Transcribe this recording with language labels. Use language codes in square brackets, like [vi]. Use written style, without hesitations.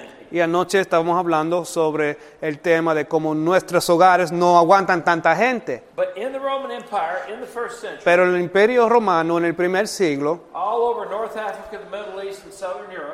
[es] Y anoche estábamos hablando sobre el tema de cómo nuestros hogares no aguantan tanta gente. [en] But in the Roman Empire, in the first century, [es] pero en el Imperio Romano, en el primer siglo, [en] all over North Africa, the Middle East, and Southern Europe,